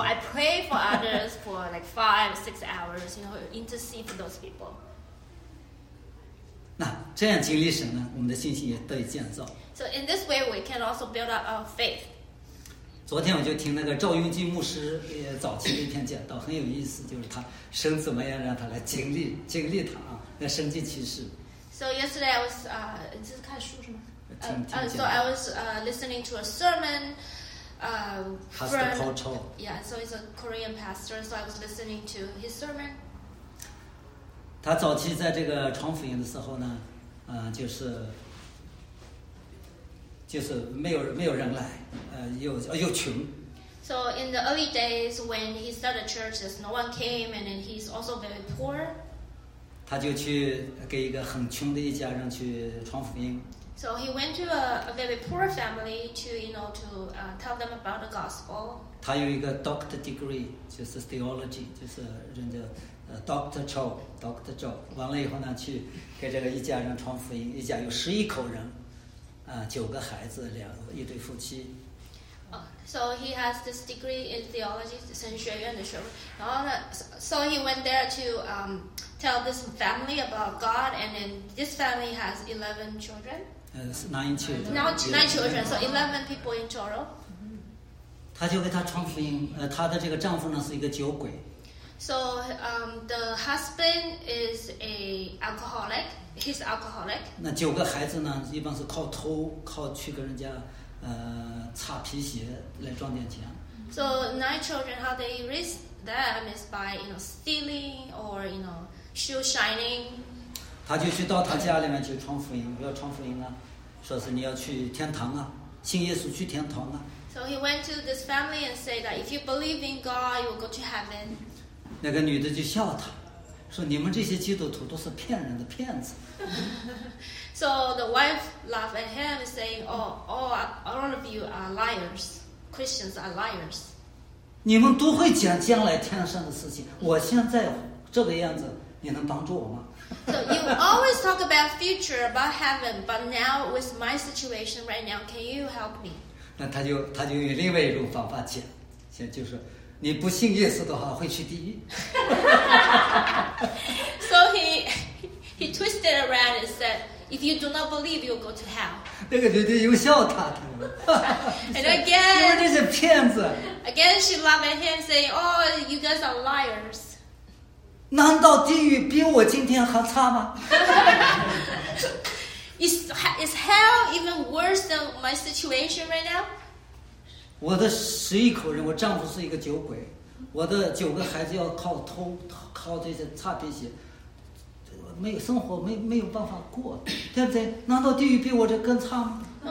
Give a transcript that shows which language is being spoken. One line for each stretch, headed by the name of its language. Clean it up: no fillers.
English: I pray for others for like 5-6 hours, you know, intercede for those people.
Chinese: 那这样经历神呢，我们的信心也得以建造。
English: So in this way, we can also build up our faith.
Chinese: 昨天我就听那个赵永基牧师早期的一篇讲道，很有意思，就是他神怎么样让他来经历他啊，那神迹奇事。
English: So yesterday I was
Chinese: 你这是看书是吗？听
English: So I was listening to a sermon Pastor Ho Cho. Yeah, so he's a Korean pastor. So I was listening to his sermon.
Chinese: 他早期在这个传福音的时候呢，就是没有人来，又穷。
English: So in the early days when he started churches, no one came, and then he's also very poor.
Chinese: 他就去给一个很穷的一家人去传福音。
English: So he went to a very poor family to, you know, to tell them about the gospel.
Chinese: 他有一个
English: doctor degree,
Chinese: 就是 theology, 就是人家Dr. Cho. 完了以后呢，去给这个一家人传福音，一家有11口人，九个孩子，一对夫妻。
English: So he has this degree in theology,
Chinese: 神学院的学位。然后呢
English: ，so he went there to tell this family about God, and then this family has 11 children. 9 children, so 11 people in total.
Chinese: 他就给他传福音，他的这个丈夫呢是一个酒鬼。
English: So, the husband is a alcoholic. He's alcoholic.
Chinese: 那九个孩子呢，一般是靠偷，靠去跟人家，擦皮鞋来赚点钱。
English: So 9 children, how they raise them is by, you know, stealing or, you know, shoe shining.
Chinese: 他就去到他家里面去传福音，不要传福音啊，说是你要去天堂啊，信耶稣去天堂啊。
English: So he went to this family and said that if you believe in God, you will go to heaven.
Chinese: 那个女的就笑他，说你们这些基督徒都是骗人的骗子。
English: So the wife laughed at him and saying, "Oh, all of you are liars. Christians are liars."
Chinese: 你们都会讲将来天上的事情，我现在这个样子，你能帮助我吗？
English: So you always talk about future, about heaven, but now with my situation right now, can you help me?
Chinese: 那他就用另外一种方法讲，先就是你不信耶稣的话会去地狱。
English: So he twisted around and said, if you do not believe, you'll go to hell.
Chinese: 那个女的又笑他了。
English: And again,
Chinese: 你们这些骗子。
English: Again, she laughed at him, saying, "Oh, you guys are liars."
Chinese: 难道地狱比我今天还差吗？
English: Is hell even worse than my situation right now?
Chinese: 我的11口人，我丈夫是一个酒鬼，我的9个孩子要靠偷，靠这些擦皮鞋，没有生活，没有办法过，对不对？难道地狱比我这更差吗？